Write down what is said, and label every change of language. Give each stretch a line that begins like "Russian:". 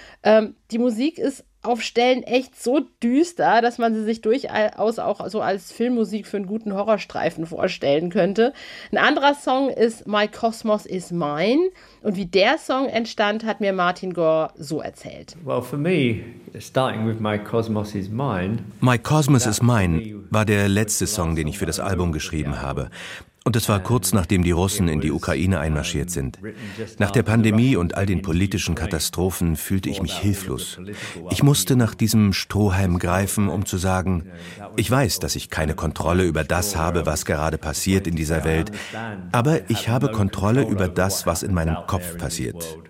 German: Die Musik ist auf Stellen echt so düster, dass man sie sich durchaus auch so als Filmmusik für einen guten Horrorstreifen vorstellen könnte. Ein anderer Song ist My Cosmos is Mine. Und wie der Song entstand, hat mir Martin Gore so erzählt.
English: Well, for me, starting with My Cosmos is Mine.
German: My Cosmos is Mine war der letzte Song, den ich für das Album geschrieben habe. Und es war kurz, nachdem die Russen in die Ukraine einmarschiert sind. Nach der Pandemie und all den politischen Katastrophen fühlte ich mich hilflos. Ich musste nach diesem Strohhalm greifen, um zu sagen, ich weiß, dass ich keine Kontrolle über das habe, was gerade passiert in dieser Welt, aber ich habe Kontrolle über das, was in meinem Kopf passiert.